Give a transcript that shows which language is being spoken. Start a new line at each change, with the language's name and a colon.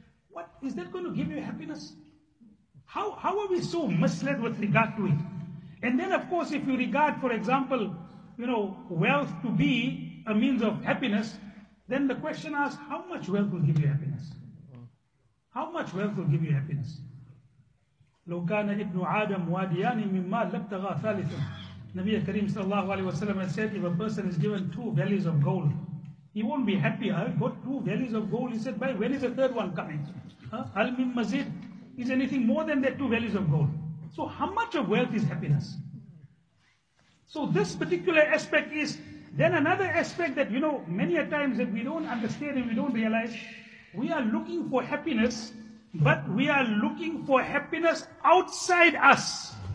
English: What is that going to give you happiness? How are we so misled with regard to it? And then, of course, if you regard, for example, you know, wealth to be a means of happiness, then the question asks, how much wealth will give you happiness? How much wealth will give you happiness?
Arabic: لو كان ابن آدم واديان مما لبتغى ثالثا.
English: Nabi Kareem sallallahu alayhi wa sallam has said, if a person is given two valleys of gold, he won't be happy. I've got two valleys of gold. He said, but when is the third one coming?
Arabic: Al min mazid,
English: is anything more than that two valleys of gold? So how much of wealth is happiness? So this particular aspect is then another aspect that, you know, many a times that we don't understand and we don't realize, we are looking for happiness, but we are looking for happiness outside us.